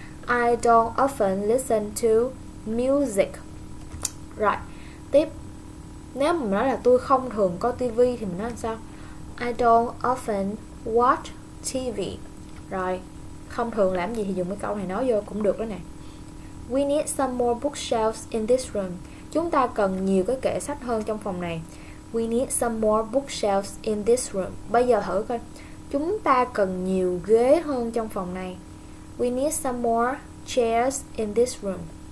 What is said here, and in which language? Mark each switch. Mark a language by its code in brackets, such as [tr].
[en] I don't often listen to music. Right. [vi] Tiếp. Nếu mình nói là tôi không thường có tivi thì mình nói làm sao? [en] I don't often watch TV. [vi] Rồi. Không thường làm gì thì dùng cái câu này nói vô cũng được đó nè. [en] We need some more bookshelves in this room. [vi] Chúng ta cần nhiều cái kệ sách hơn trong phòng này. [en] We need some more bookshelves in this room. [vi] Bây giờ thử coi. Chúng ta cần nhiều ghế hơn trong phòng này. [en] We need some more chairs in this room.